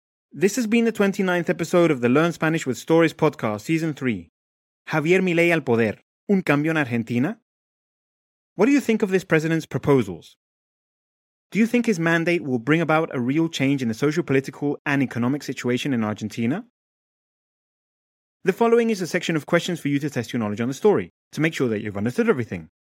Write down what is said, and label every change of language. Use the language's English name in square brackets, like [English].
[English] This has been the 29th episode of the Learn Spanish with Stories podcast, Season 3. [Spanish] Javier Milei al poder, ¿un cambio en Argentina? [English] What do you think of this president's proposals? Do you think his mandate will bring about a real change in the socio-political and economic situation in Argentina? The following is a section of questions for you to test your knowledge on the story, to make sure that you've understood everything.